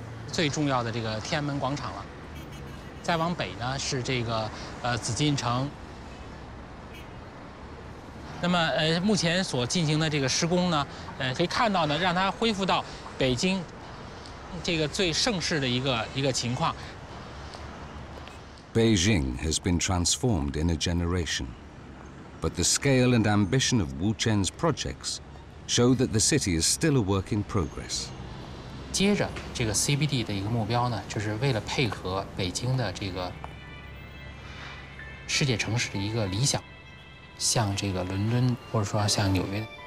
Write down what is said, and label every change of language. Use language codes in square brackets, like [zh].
[zh] 最重要的这个天安门广场了。再往北呢是这个紫禁城。那么目前所进行的这个施工呢，可以看到呢，让它恢复到北京这个最盛世的一个情况。 [en] Beijing has been transformed in a generation, but the scale and ambition of Wu Chen's projects show that the city is still a work in progress. [zh] 接着，这个 CBD 的一个目标呢，就是为了配合北京的这个世界城市的一个理想。像这个伦敦，或者说像纽约，